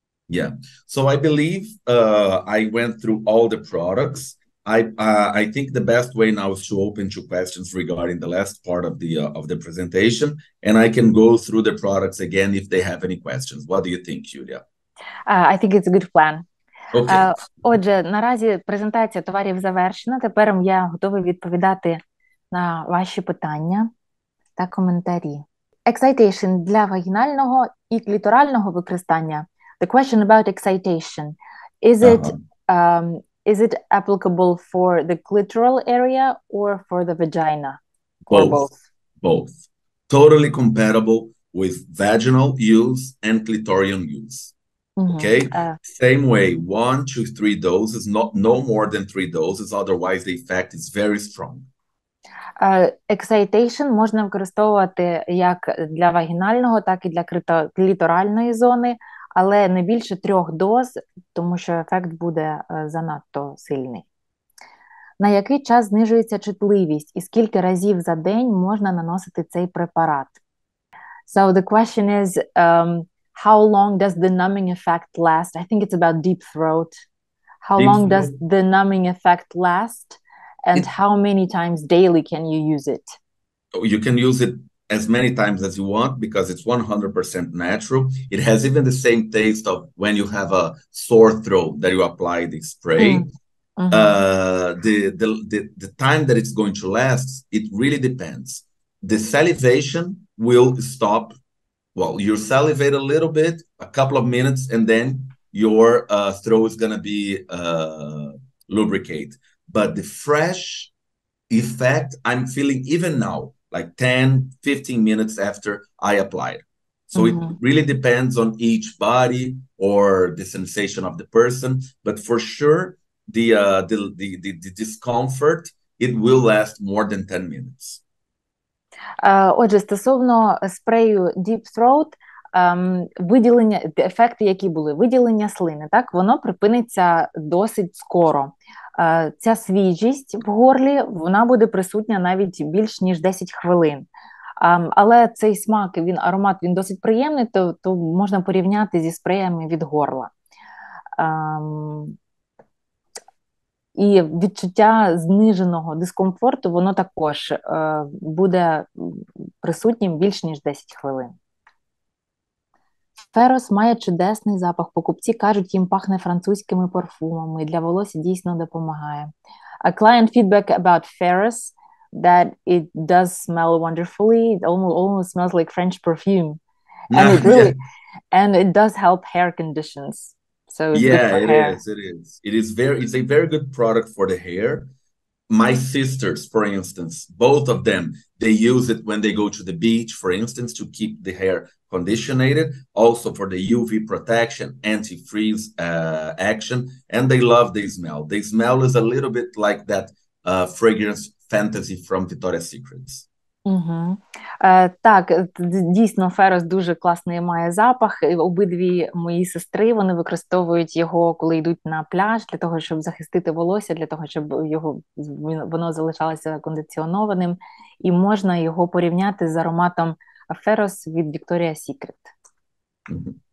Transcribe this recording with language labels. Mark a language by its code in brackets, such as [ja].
[en] Yeah, so I believe I went through all the products. I think the best way now is to open to questions regarding the last part of the presentation, and I can go through the products again if they have any questions. What do you think, Julia? I think it's a good plan. Okay. [uk] Отже, наразі презентація товарів завершена. Тепер я готовий відповідати на ваші питання та коментарі. Excitation для вагінального і кліторального використання. [en] The question about excitation. Is it is it applicable for the clitoral area or for the vagina? Both. Totally compatible with vaginal use and clitorium use. Mm-hmm. Okay? Same way, 1-3 doses, not no more than 3 doses, otherwise the effect is very strong. [uk] Excitation можна використовувати як для вагінального, так і для кліторальної зони, але не більше 3 доз, тому що ефект буде занадто сильний. На який час знижується чутливість і скільки разів за день можна наносити цей препарат? [en] So the question is, how long does the numbing effect last? I think it's about deep throat. Does the numbing effect last? And how many times daily can you use it? You can use it as many times as you want because it's 100% natural. It has even the same taste of when you have a sore throat that you apply the spray. Mm. Mm-hmm. The time that it's going to last, it really depends. The salivation will stop. Well, you salivate a little bit, a couple of minutes, and then your throat is going to be lubricated. But the fresh effect, I'm feeling even now, like 10, 15 minutes after I applied. So mm-hmm. it really depends on each body or the sensation of the person. But for sure, the discomfort, it will last more than 10 minutes. [uk] Отже, стосовно спрею Deep Throat, виділення, ефекти, які були, виділення слини, так, воно припиниться досить скоро. Ця свіжість в горлі, вона буде присутня навіть більш ніж 10 хвилин. Але цей смак, він, аромат, він досить приємний, то можна порівняти зі спреями від горла. І відчуття зниженого дискомфорту, воно також буде присутнім більш ніж 10 хвилин. Ферос має чудесний запах. Покупці кажуть, їм пахне французькими парфумами. Для волосся дійсно допомагає. [en] A client feedback about Ferros, that it does smell wonderfully. It almost smells like French perfume. And it really, and it does help hair conditions. So it's it is. It's a very good product for the hair. My sisters, for instance, both of them, they use it when they go to the beach, for instance, to keep the hair conditionated, also for the UV protection, antifreeze action, and they love the smell. The smell is a little bit like that fragrance fantasy from Victoria's Secrets. [uk] Угу. Так, дійсно, Ферос дуже класний має запах. Обидві мої сестри, вони використовують його, коли йдуть на пляж, для того, щоб захистити волосся, для того, щоб його, воно залишалося кондиціонованим. І можна його порівняти з ароматом Ферос від Victoria's Secret.